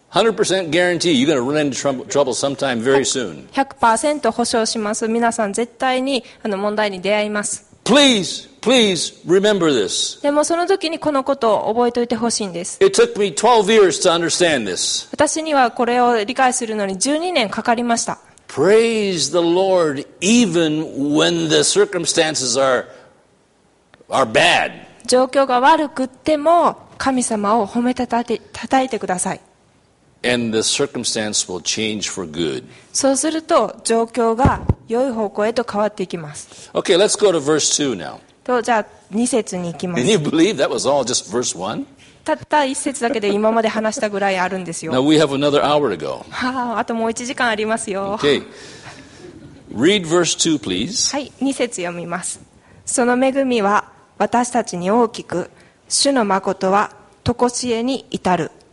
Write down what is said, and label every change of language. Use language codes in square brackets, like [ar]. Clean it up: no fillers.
[en] 100% guarantee you're going to run into trouble sometime very soon. [ja] 100% 保証します。皆さん絶対に問題に出会います。 [en] Please, please remember this. [ja] でもその時にこのことを覚えておいてほしいんです。 [en] It took me 12 years to understand this. [ja] 私にはこれを理解するのに12年かかりました。 [en] Praise the Lord even when the circumstances are bad. [ja] 状況が悪くっても神様を褒めたたて、たたいてください。 [en] And the circumstance will change for good. [ja] そうすると状況が良い方向へと変わっていきます。 [en] Okay, let's go to verse 2 now. [ja] とじゃあ2節に行きます。 [en] Can you believe that was all just verse 1? [ja] たった1節だけで今まで話したぐらいあるんですよ。 [en] Now we have another hour to go. [ja] あともう1時間ありますよ。 [en] Okay. Read verse 2, please. [ja] はい、2節読みます。その恵みは私たちに大きく、主の誠は常しえに至る。